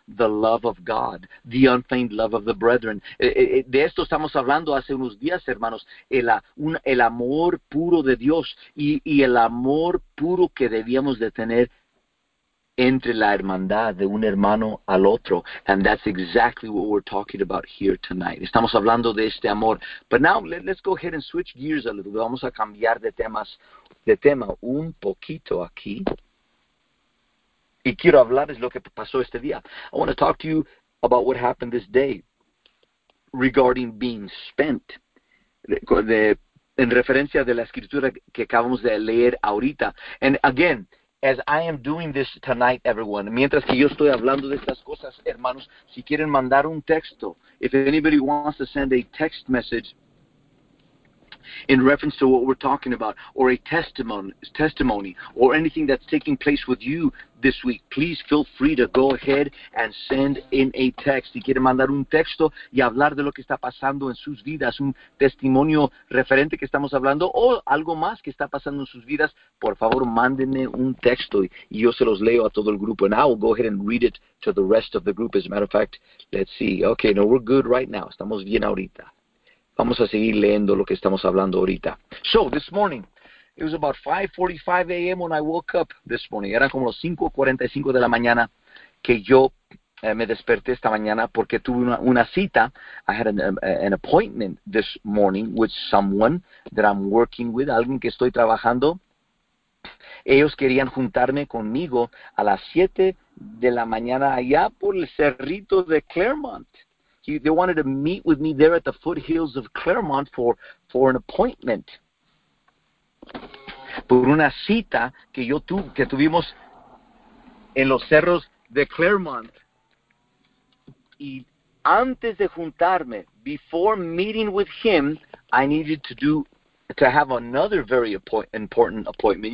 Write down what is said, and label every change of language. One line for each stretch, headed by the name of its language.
English: The love of God. The unfeigned love of the brethren.
Spanish: De esto estamos hablando hace unos días, hermanos. El amor puro de Dios. Y el amor puro que debíamos de tener entre la hermandad de un hermano al otro.
English: And that's exactly what we're talking about here tonight.
Spanish: Estamos hablando de este amor.
English: But now, let's go ahead and switch gears a little bit.
Spanish: Vamos a cambiar de tema un poquito aquí. Y quiero hablarles lo que pasó este día.
English: I want to talk to you about what happened this day regarding being spent.
Spanish: en referencia de la escritura que acabamos de leer ahorita.
English: And again, as I am doing this tonight, everyone,
Spanish: mientras que yo estoy hablando de estas cosas, hermanos, si quieren mandar un texto,
English: if anybody wants to send a text message in reference to what we're talking about, or a testimony, or anything that's taking place with you this week, please feel free to go ahead and send in a text.
Spanish: Si quieren mandar un texto y hablar de lo que está pasando en sus vidas, un testimonio referente que estamos hablando, o algo más que está pasando en sus vidas, por favor, mándenme un texto y yo se los leo a todo el grupo.
English: And I will go ahead and read it to the rest of the group. As a matter of fact, let's see. Okay, no, we're good right now.
Spanish: Estamos bien ahorita. Vamos a seguir leyendo lo que estamos hablando ahorita.
English: So, this morning, it was about 5:45 a.m. when I woke up this morning.
Spanish: Era como los 5:45 de la mañana que yo me desperté esta mañana porque tuve una cita.
English: I had an appointment this morning with someone that I'm working with,
Spanish: alguien que estoy trabajando. Ellos querían juntarme conmigo a las 7 de la mañana allá por el cerrito de Claremont.
English: They wanted to meet with me there at the foothills of Claremont for an appointment.
Spanish: Por una cita que tuvimos en los cerros de Claremont. Y antes de juntarme,
English: before meeting with him, I needed to have another very important appointment.